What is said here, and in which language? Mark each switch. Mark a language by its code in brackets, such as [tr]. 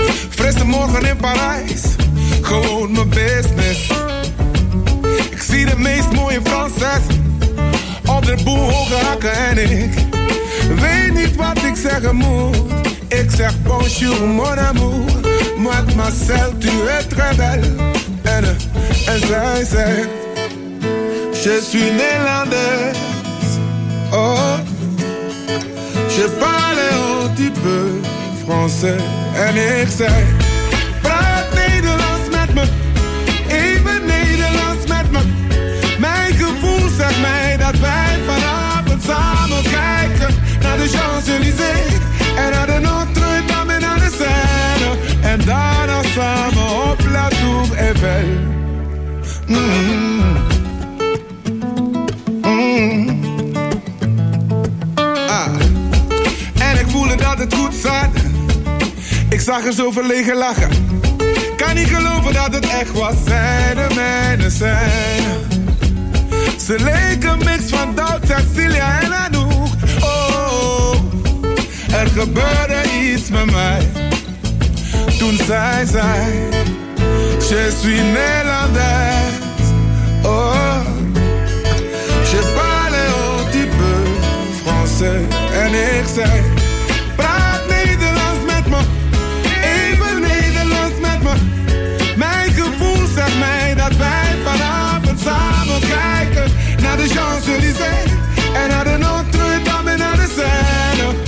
[nl] Frisse morgen in Parijs. Gewoon mijn business. Ik zie de meest mooie Franses op de boel hoge hakken en ik weet niet wat ik zeggen moet. Ik zeg [fr] bonjour mon amour, mademoiselle tu es très belle. [nl] En zij zegt, [fr] je suis Nederlandse. Oh, je parle un petit peu français. [nl] En ik zeg, praat Nederlands met me, even Nederlands met me. Mijn gevoel zegt mij dat wij vanavond samen kijken naar de Champs-Élysées en naar de Notre-Dame en naar de Seine. En daarna samen op La Tour Eiffel. En ik voelde dat het goed zat. Ik zag haar zo verlegen lachen. Kan niet geloven dat het echt was. Zij de mijne zijn. Ze leek een mix van Doubt, Cecilia en Anouk. Oh, oh, oh, er gebeurde iets met mij. Toen zij zei, [fr] je suis Nederlander. Oh, je parle un petit peu français. [nl] En ik zei, praat Nederlands met me, even Nederlands met me. Mijn gevoel zegt mij dat wij vanavond samen kijken naar de Champs-Élysées en naar de Notre-Dame en naar de Seine.